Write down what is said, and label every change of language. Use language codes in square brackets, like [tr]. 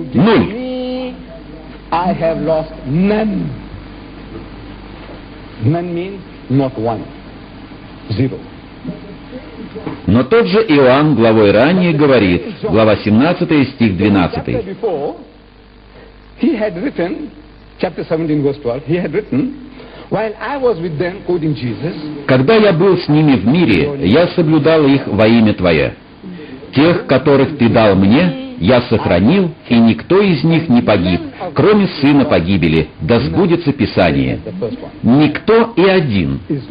[ru] Ноль. [en] I have lost none. None means not one. Zero. [ru] Но тот же Иоанн главой ранее говорит, глава 17, стих 12. [en] He had written, chapter 17, verse 12, he had written, while I was with them, quoting Jesus, [ru] когда я был с ними в мире, я соблюдал их во имя Твое. Тех, которых Ты дал мне, я сохранил, и никто из них не погиб, кроме сына погибели, да сбудется Писание. Никто и один.